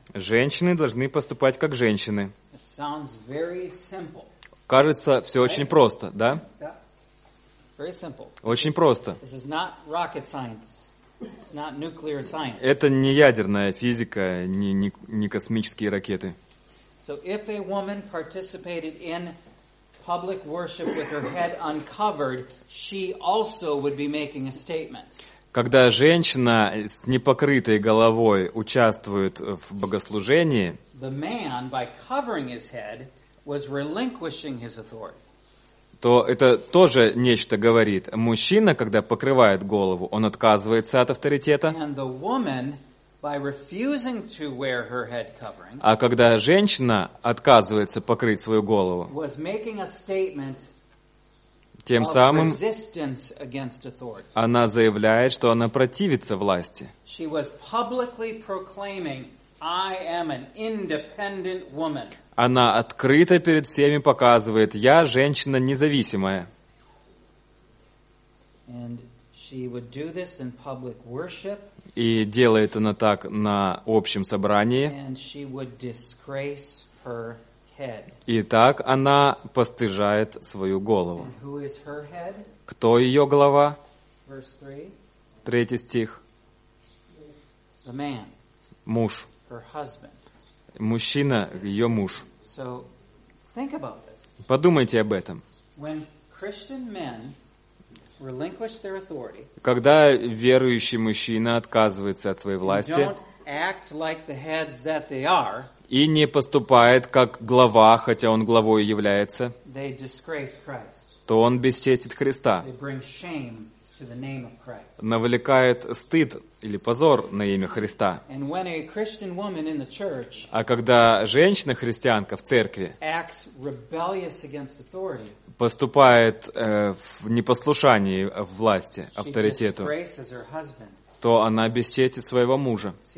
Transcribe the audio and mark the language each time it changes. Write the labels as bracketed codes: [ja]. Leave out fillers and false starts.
[ru] Женщины должны поступать как женщины. [en] It sounds very simple. [ru] Кажется, все right? Очень просто, да? [en] Yeah. Very simple. [ru] Очень просто. [en] This is not rocket science. It's not nuclear science. [ru] Это не ядерная физика, не космические ракеты. [en] So if a woman participated in public worship with her head uncovered, she also would be making a statement. [ru] Когда женщина с непокрытой головой участвует в богослужении, [en] the man, by covering his head, was relinquishing his authority. [ru] То это тоже нечто говорит. Мужчина, когда покрывает голову, он отказывается от авторитета. [en] And the woman, by refusing to wear her head covering, [ru] а когда женщина отказывается покрыть свою голову, [en] was making a statement, [ru] тем самым [en] resistance against authority. [ru] Она заявляет, что она противится власти. [en] She was publicly proclaiming, I am an independent woman. [ru] Она открыто перед всеми показывает, я женщина независимая. [en] And she would do this in public worship. [ru] И делает она так на общем собрании. [en] And she would disgrace her head. [ru] И так она постыжает свою голову. [en] And who is her head? [ru] Кто ее глава? [en] Verse 3. [ru] Третий стих. [en] The man. [ru] Муж. [en] Her husband. [ru] Мужчина, ее муж. [en] So, think about this. [ru] Подумайте об этом. [en] When Christian men relinquish their authority, [ru] когда верующий мужчина отказывается от своей власти [en] like [ru] и не поступает как глава, хотя он главой является, [en] they disgrace Christ. [ru] То он бесчестит Христа. [en] They bring shame to the name of Christ. [ru] Навлекает стыд или позор на имя Христа. [en] And when a Christian woman in the church, [ru] а когда женщина-христианка в церкви [en] acts rebellious against authority, [ru] поступает в непослушании власти, авторитету, то она бесчестит своего мужа.